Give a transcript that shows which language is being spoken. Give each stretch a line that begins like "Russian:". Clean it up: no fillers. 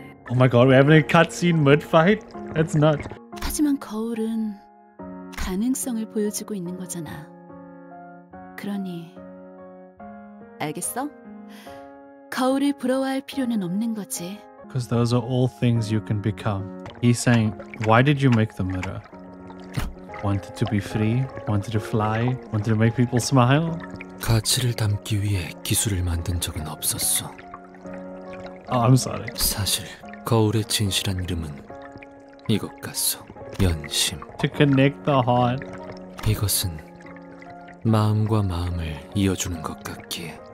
English: Oh my god, we're having a cutscene mid-fight? That's nuts.
Korean: 하지만 거울은 가능성을 보여주고 있는 거잖아. 그러니 알겠어? 거울을 부러워할 필요는 없는 거지.
English: Because those are all things you can become. He's saying, why did you make the mirror? Wanted to be free? Wanted to fly? Wanted to make people smile?
Korean: 가치를 담기 위해 기술을 만든 적은 없었어.
English: Oh, I'm sorry.
Korean: 사실 거울의 진실한 이름은 이것 같소. 연심.
English: To connect the heart.
Korean: 이것은 마음과 마음을 이어주는 것 같기에.